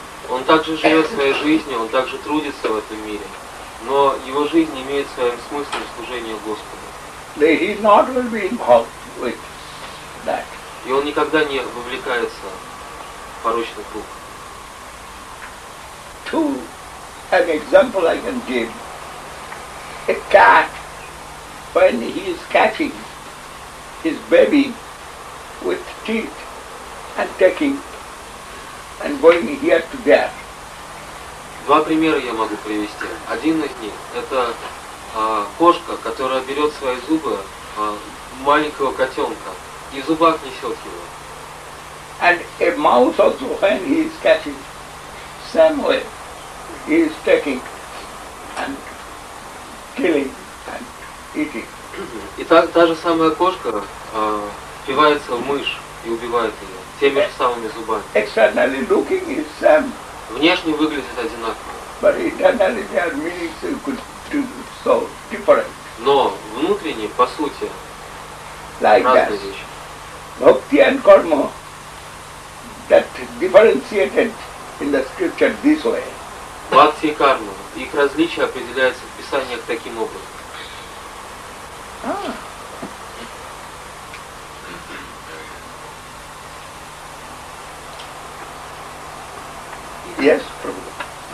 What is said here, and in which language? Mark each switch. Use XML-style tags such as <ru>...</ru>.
<ru>Он также живет своей жизнью, он также трудится в этом мире, но его жизнь имеет своим смыслом служение Господу.</ru> <en>He is not will be involved with that.</en> <ru>И он никогда не вовлекается в порочный круг.</ru> <en>To an example I can give, a cat, when he is catching his baby with teeth and taking and going here to there.</en> <ru>Два примера я могу привести. Один из них – это кошка, которая берет свои зубы маленького котенка и в зубах несет его.</ru> <en>And a mouse also, when he is catching, same way. He is taking and killing and eating.</en> <ru>И так та же самая кошка впивается в мышь и убивает ее теми же самыми зубами.</ru> <en>Externally looking is same.</en> <ru>Внешне выглядит одинаково.</ru> <en>But internally they are meaning so different.</en> <ru>они, по сути,</ru> <en>like</en> <ru>разные</ru> <en>that.</en> <ru>Вещи.</ru> <en>Bhakti and karma, that differentiated in the scripture this way.</en> <ru>Bhakti и karma, их различия определяются в писаниях таким образом.</ru> <en>Yes, Prabhupada.</en>